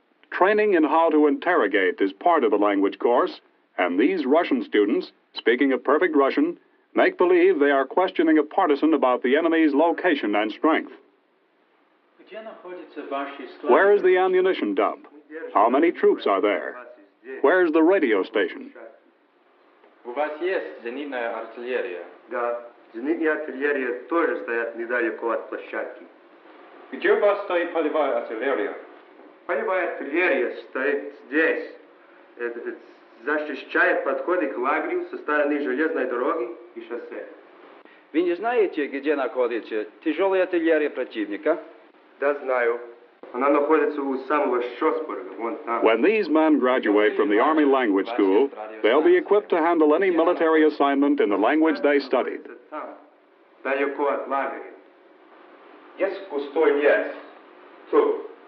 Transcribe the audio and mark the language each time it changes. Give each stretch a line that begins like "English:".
English: Training in how to interrogate is part of the language course, and these Russian students, speaking a perfect Russian, make believe they are questioning a partisan about the enemy's location and strength. Where is the ammunition dump? How many troops are there? Where is the radio station?
Russian: У вас есть зенитная артиллерия? Да, зенитные артиллерии тоже стоят недалеко от площадки. Где у вас стоит полевая артиллерия? Полевая артиллерия стоит здесь. Защищает подходы к лагерю со стороны железной дороги и шоссе. Вы не знаете, где находится тяжелая артиллерия противника? Да, знаю. Она находится у самого Шосберга, вон там.
English: When these men graduate from the Army language school, they'll be equipped to handle any military assignment in the language they studied.
Russian: Далеко от лагеря. Есть пустой лес. Тут.